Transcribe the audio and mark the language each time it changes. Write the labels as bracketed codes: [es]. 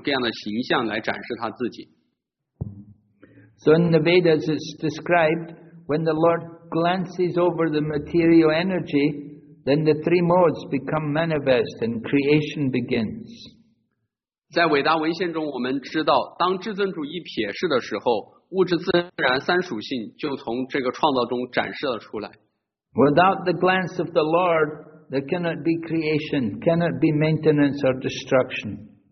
[zh] 至尊主是无限的，他从未开始的时候就已经存在。他虽然是一，但是有很多各种各样的形象来展示他自己。 [en] So in the Vedas it's described, when the Lord glances over the material energy, then the three modes become manifest and creation begins. [zh] 在伟大文献中我们知道，当至尊主一瞥视的时候，物质自然三属性就从这个创造中展示了出来。 [en] Without the glance of the Lord, there cannot be creation, cannot be maintenance or destruction.